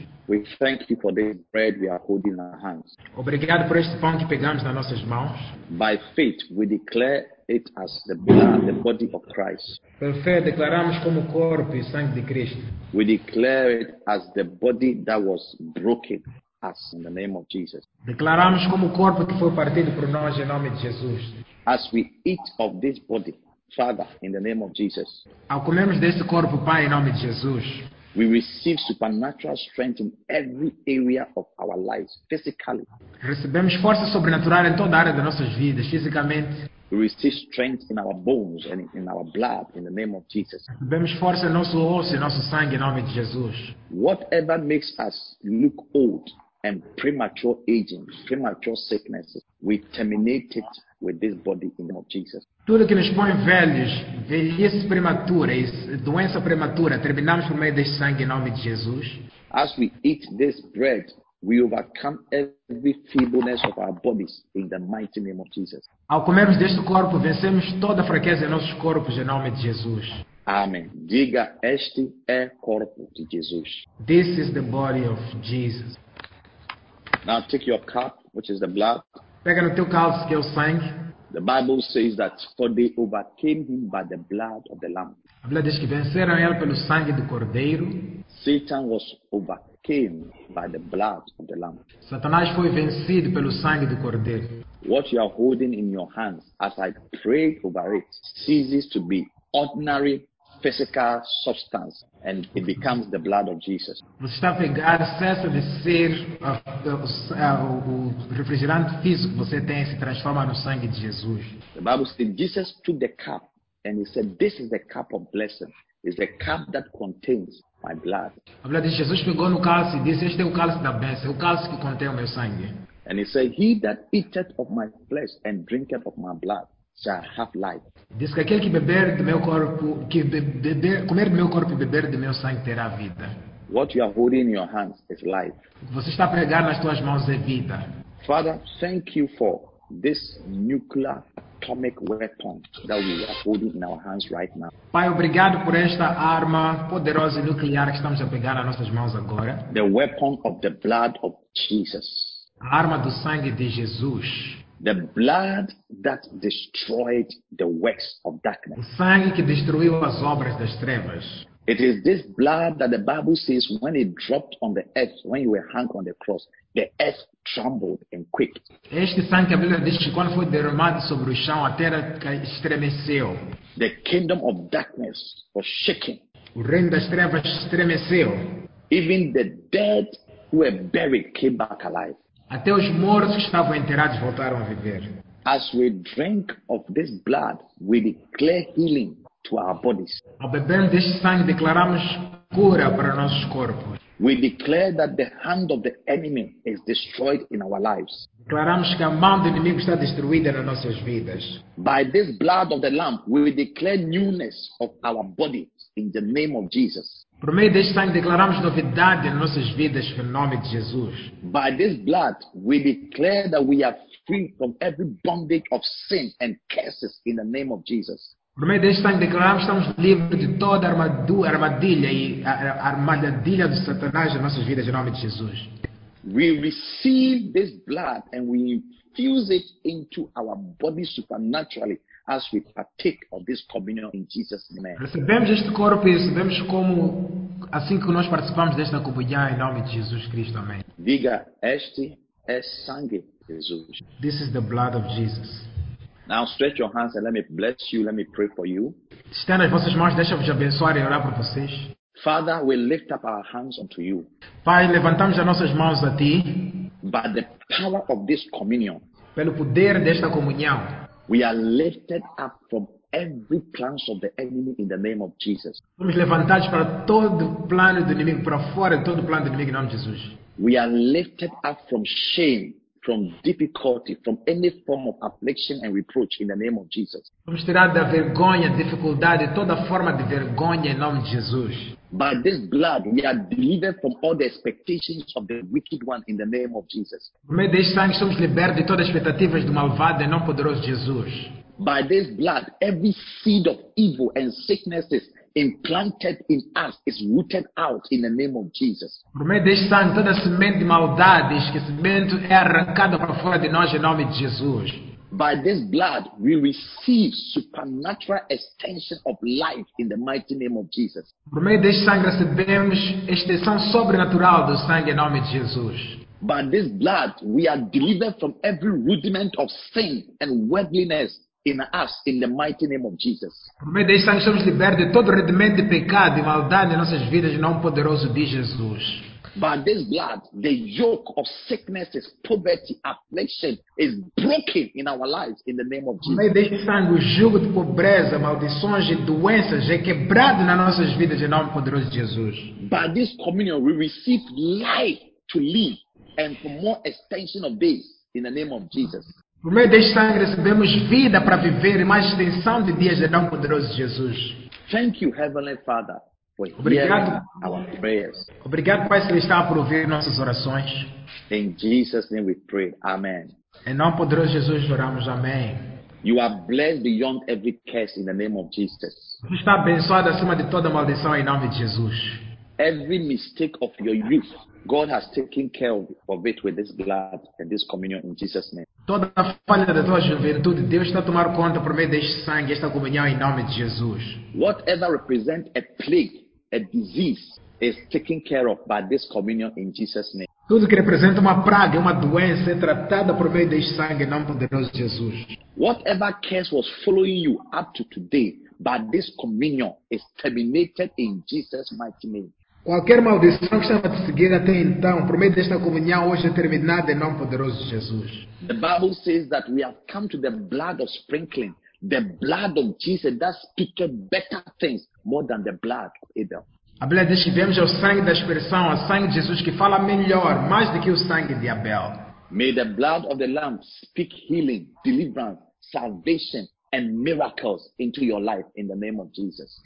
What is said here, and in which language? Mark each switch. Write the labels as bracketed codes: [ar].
[en] We thank you for this bread we are holding in our hands. [pt] Obrigado por este pão que pegamos nas nossas mãos. [en] By faith, we declare it as the blood, the body of Christ. [pt] Pela fé, declaramos como corpo e sangue de Cristo. [en] We declare it as the body that was broken us in the name of Jesus. [pt] Declaramos como corpo que foi partido por nós em nome de Jesus. [en] As we eat of this body, Father, in the name of Jesus. [pt] Ao comermos deste corpo, Pai, em nome de Jesus. [en] We receive supernatural strength in every area of our lives, physically. [pt] Recebemos força sobrenatural em toda a área das nossas vidas, fisicamente. [en] We receive strength in our bones and in our blood, in the name of Jesus. [pt] Recebemos força em nosso osso e nosso sangue, em nome de Jesus. [en] Whatever makes us look old and premature aging, premature sicknesses, we terminate it with this body in the name of Jesus. [pt] Tudo que nos põe velhos, velhice prematura e doença prematura, terminamos por meio deste sangue em nome de Jesus. [en] As we eat this bread, we overcome every feebleness of our bodies in the mighty name of Jesus. [pt] Ao comermos deste corpo, vencemos toda a fraqueza em nossos corpos em nome de Jesus. Amém. Diga, este é o corpo de Jesus. [en] This is the body of Jesus. Now take your cup, which is the blood. [pt] Pega no teu cálice que é o sangue. [en] The Bible says that for they overcame him by the blood of the Lamb. [pt] A Bíblia diz que venceram ele pelo sangue do Cordeiro. [en] Satan was overcame by the blood of the Lamb. [pt] Satanás foi vencido pelo sangue do Cordeiro. [en] What you are holding in your hands as I pray over it ceases to be ordinary physical substance and it becomes the blood of Jesus. [pt] Você está pegando, cessa de ser o refrigerante físico que você tem, se transforma no sangue de Jesus. [en] The Bible says Jesus took the cup and he said, this is the cup of blessing. It's the cup that contains my blood. [pt] A Bíblia diz, Jesus pegou no cálice e disse, este é o cálice da bênção, o cálice que contém o meu sangue. [en] And he said, he that eateth of my flesh and drinketh of my blood shall have life. [pt] Diz que aquele que beber do meu corpo, que comer do meu corpo e beber do meu sangue terá vida. [en] What you are holding in your hands is life. [pt] O que você está a pegar nas tuas mãos é vida. [en] Father, thank you for this nuclear atomic weapon that we are holding in our hands right now. [pt] Pai, obrigado por esta arma poderosa e nuclear que estamos a pegar nas nossas mãos agora. [en] The weapon of the blood of Jesus. [pt] A arma do sangue de Jesus. [en] The blood that destroyed the works of darkness. [pt] O sangue que destruiu as obras das trevas. [en] It is this blood that the Bible says when it dropped on the earth, when you were hung on the cross, the earth trembled and quaked. [pt] Este sangue que a Bíblia diz que quando foi derramado sobre o chão, a terra estremeceu. [en] The kingdom of darkness was shaken. [pt] O reino das trevas estremeceu. [en] Even the dead who were buried came back alive. [pt] Até os mortos que estavam enterrados voltaram a viver. [en] As we drink of this blood, we declare healing to our bodies. [pt] Ao beber deste sangue, declaramos cura para nossos corpos. [en] We declare that the hand of the enemy is destroyed in our lives. [pt] Declaramos que a mão do inimigo está destruída nas nossas vidas. [en] By this blood of the Lamb, we declare newness of our bodies in the name of Jesus. [pt] Por meio deste sangue declaramos novidade em nossas vidas em nome de Jesus. [en] By this blood we declare that we are free from every bondage of sin and curses in the name of Jesus. [pt] Por meio deste sangue declaramos estamos livres de toda armadilha e armadilha de Satanás em nossas vidas em nome de Jesus. [en] We receive this blood and we infuse it into our body supernaturally. As we partake of this communion in Jesus' name. [pt] Recebemos este corpo e recebemos como assim que nós participamos desta comunhão em nome de Jesus Cristo. Amém. Diga, este é sangue de Jesus. [en] This is the blood of Jesus. Now stretch your hands and let me bless you. Let me pray for you. [pt] Estenda as vossas mãos, deixa-me te abençoar e orar por vocês. [en] Father, we lift up our hands unto you. [pt] Pai, levantamos as nossas mãos a ti. [en] By the power of this communion, [pt] pelo poder desta comunhão, [en] we are lifted up from every plans of the enemy in the name of Jesus. [pt] Somos levantados para todo plano do inimigo, para fora de todo plano do inimigo em nome de Jesus. [en] We are lifted up from shame, from difficulty, from any form of affliction and reproach in the name of Jesus. [pt] Somos tirados da vergonha, dificuldade, toda forma de vergonha em nome de Jesus. [en] By this blood, we are delivered from all the expectations of the wicked one in the name of Jesus. [pt] Por meio deste sangue, somos libertos de todas as expectativas do malvado em nome poderoso de Jesus. [en] By this blood, every seed of evil and sicknesses implanted in us is rooted out in the name of Jesus. [pt] Por meio deste sangue, toda semente de maldade e esquecimento é arrancada para fora de nós em nome de Jesus. [en] By this blood, we receive supernatural extension of life in the mighty name of Jesus. [pt] Por meio deste sangue, recebemos extensão sobrenatural do sangue em nome de Jesus. [en] By this blood, we are delivered from every rudiment of sin and worldliness in us, in the mighty name of Jesus. [pt] Por meio deste sangue, somos libertos de todo rendimento de pecado e maldade em nossas vidas, em nome poderoso de Jesus. [en] By this blood, the yoke of sicknesses, poverty, affliction is broken in our lives, in the name of Jesus. [pt] Por meio deste sangue, o jugo de pobreza, maldições e doenças é quebrado nas nossas vidas, em nome poderoso de Jesus. [en] By this communion, we receive life to live and for more extension of days, in the name of Jesus. [pt] Por meio deste sangue recebemos vida para viver e mais extensão de dias de nome poderoso de Jesus. [en] Thank you, Heavenly Father, for [pt] obrigado, [en] our prayers. [pt] Obrigado, Pai Celestial, por ouvir nossas orações. [en] In Jesus' name we pray. Amen. [pt] Em nome poderoso de Jesus oramos. Amém. [en] You are blessed beyond every curse in the name of Jesus. [pt] Você está abençoado acima de toda maldição em nome de Jesus. [en] Every mistake of your youth, God has taken care of it with this blood and this communion in Jesus' name. [pt] Toda a falha da tua juventude, Deus está a tomar conta por meio deste sangue, esta comunhão em nome de Jesus. [en] Whatever represents a plague, a disease, is taken care of by this communion in Jesus' name. [pt] Tudo que representa uma praga, uma doença, é tratada por meio deste sangue em nome poderoso de Jesus. [en] Whatever curse was following you up to today, by this communion, is terminated in Jesus' mighty name. [pt] Qualquer maldição que estava te seguindo até então, por meio desta comunhão, hoje é terminada em nome poderoso de Jesus. [en] The Bible says that we have come to the blood of sprinkling, the blood of Jesus that speaks better things more than the blood of Abel. [pt] A Bíblia diz que viemos ao sangue da expressão, ao sangue de Jesus que fala melhor, mais do que o sangue de Abel. [en] May the blood of the Lamb speak healing, deliverance, salvation and miracles into your life in the name of Jesus.